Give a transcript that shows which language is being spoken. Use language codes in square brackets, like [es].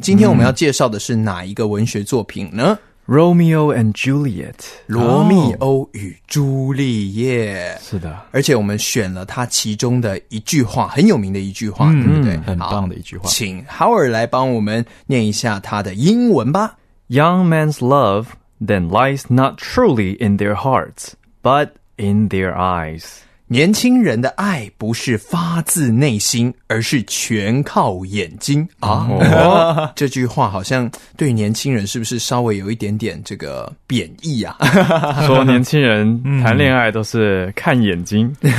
[zh] 今天我们要介绍的是哪一个文学作品呢？嗯， [en] Romeo and Juliet, [zh] 罗密欧与朱丽叶、 oh, 是的，而且我们选了他其中的一句话，很有名的一句话、嗯、对不对？很棒的一句话，请 Howard 来帮我们念一下他的英文吧。 [en] Young man's love then lies not truly in their hearts, but in their eyes. [zh] 年轻人的爱不是发自内心，而是全靠眼睛啊！这句话好像对年轻人是不是稍微有一点点这个贬义啊？说年轻人谈恋爱都是看眼睛，